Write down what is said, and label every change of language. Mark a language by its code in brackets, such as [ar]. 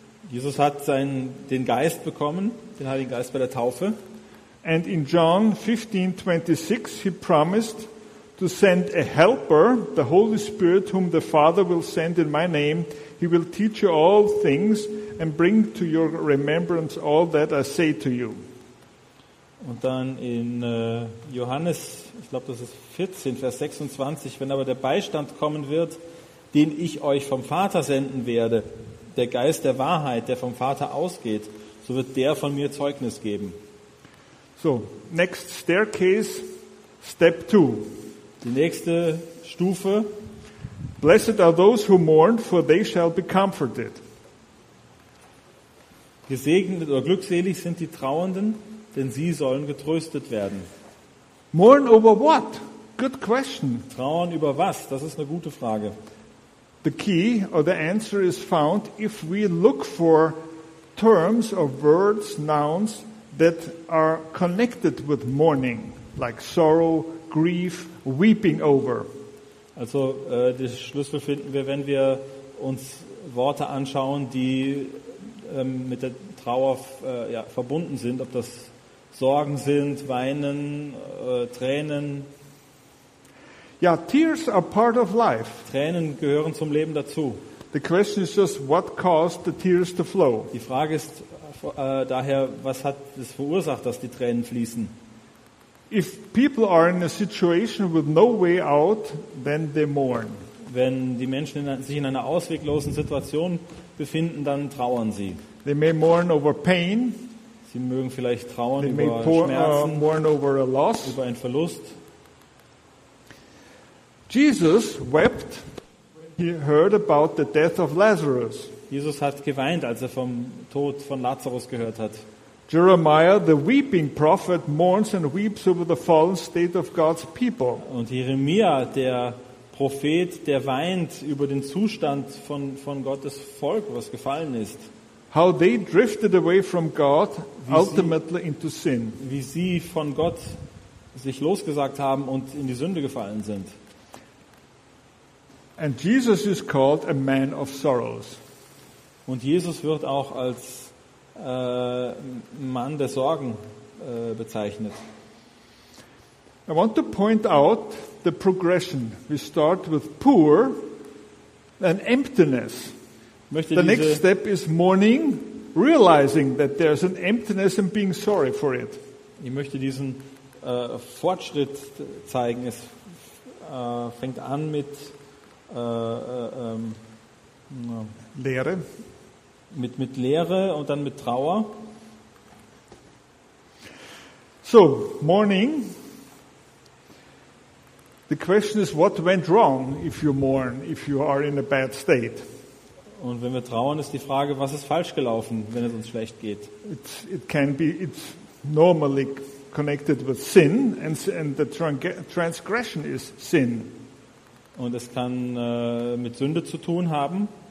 [de] Jesus hat den Geist bekommen, den Heiligen Geist bei der Taufe. [en] And in John 15:26 he promised to send a helper, the Holy Spirit, whom the Father will send in my name. He will teach you all things and bring to your remembrance all that I say to you. [de] Und dann in Johannes, ich glaube das ist 14, Vers 26, wenn aber der Beistand kommen wird, den ich euch vom Vater senden werde, der Geist der Wahrheit, der vom Vater ausgeht, so wird der von mir Zeugnis geben. [en] So, next staircase, step 2. [de] Die nächste Stufe. [en] Blessed are those who mourn, for they shall be comforted. [de] Gesegnet oder glückselig sind die Trauernden, denn sie sollen getröstet werden. [en] Mourn over what? Good question. [de] Trauern über was? Das ist eine gute Frage. [en] The key or the answer is found if we look for terms or words, nouns that are connected with mourning, like sorrow, grief, weeping over. [de] Also den Schlüssel finden wir, wenn wir uns Worte anschauen, die mit der Trauer verbunden sind, ob das Sorgen sind, Weinen, Tränen. [en] Ja, tears are part of life. [de] Tränen gehören zum Leben dazu. [en] The question is just what caused the tears to flow. [de] Die Frage ist daher, was hat es verursacht, dass die Tränen fließen? [en] If people are in a situation with no way out, then they mourn. [de] Wenn die Menschen sich in einer ausweglosen Situation befinden, dann trauern sie. [en] They may mourn over pain. [de] Sie mögen vielleicht trauern über Schmerzen. [en] Mourn over a loss. [de] Über einen Verlust. [en] Jesus wept when he heard about the death of Lazarus. [de] Jesus hat geweint, als er vom Tod von Lazarus gehört hat. [en] Jeremiah, the weeping prophet, mourns and weeps over the fallen state of God's people. [de] Und Jeremia, der Prophet, der weint über den Zustand von Gottes Volk, was gefallen ist. [en] How they drifted away from God, ultimately into sin. [de] Wie sie von Gott sich losgesagt haben und in die Sünde gefallen sind. [en] And Jesus is called a man of sorrows. [de] Und Jesus wird auch als Mann der Sorgen bezeichnet. [en] I want to point out the progression. We start with poor and emptiness. The next step is mourning, realizing that there's an emptiness and being sorry for it. [de] Ich möchte diesen Fortschritt zeigen. Es fängt an mit Leere. Mit Leere und dann mit Trauer. [en] So, mourning. The question is, what went wrong if you mourn, if you are in a bad state? [de] Und wenn wir trauern, ist die Frage, was ist falsch gelaufen, wenn es uns schlecht geht? [en] It's normally connected with sin, and the transgression is sin. [de] Und es kann mit Sünde zu tun haben.